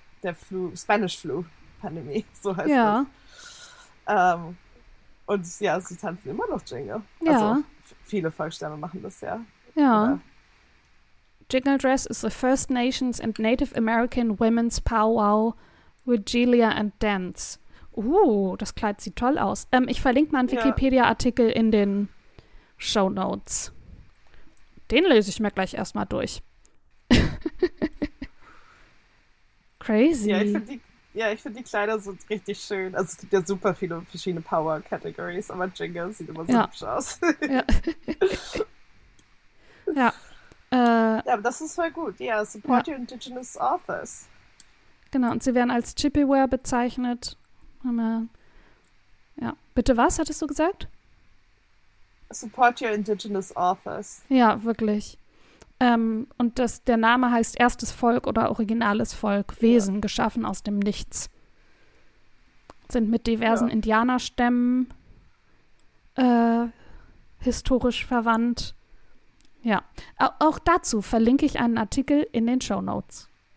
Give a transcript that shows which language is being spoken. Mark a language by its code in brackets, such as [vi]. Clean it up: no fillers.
[de] der Flu, Spanish Flu Pandemie, so heißt Ja. das. Und ja, sie tanzen immer noch Jingle. Also Ja. viele Volksstämme machen das ja. Ja. Oder? [en] Jingle Dress is the First Nations and Native American Women's Powwow, Regalia and Dance. [de] Das Kleid sieht toll aus. Ich verlinke mal einen Ja. Wikipedia-Artikel in den Show Notes. Den lese ich mir gleich erstmal durch. Ja, ich [en] Crazy. [de] finde die Kleider so richtig schön. Also es gibt ja super viele verschiedene Power-Categories, aber Jingle sieht immer so Ja. hübsch aus. Ja. Ja. Aber das ist voll gut. Ja, Ja. [en] support your indigenous authors. [de] Genau, und sie werden als Chippewa bezeichnet. Ja. Bitte was, hattest du gesagt? [en] Support your indigenous authors. [de] Ja, wirklich. Und der Name heißt Erstes Volk oder originales Volk, Ja. Wesen, geschaffen aus dem Nichts. Sind mit diversen Ja. Indianerstämmen historisch verwandt. Ja, auch dazu verlinke ich einen Artikel in den Shownotes.